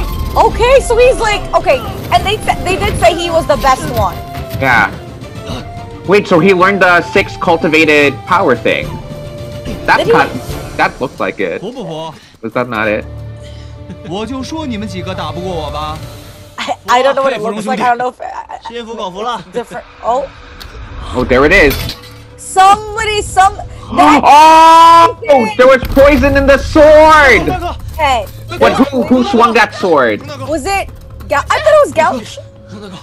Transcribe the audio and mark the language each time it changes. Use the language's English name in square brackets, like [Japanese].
[English] Okay, so he's like, okay, and they did say he was the best one. Yeah. Wait, so he learned the six cultivated power thing. That's kind of... That looks like it. [Chinese] 服不服？ [English] Was that not it? [Chinese] 我就说你们几个打不过我吧。 [English] I don't know what it looks like. I don't know if. [Chinese] 心服口服了。 [English] Different. Oh. Oh, there it is. Somebody. Oh, there was poison in the sword. Hey. But who swung that sword? Was it? I thought it was Gao.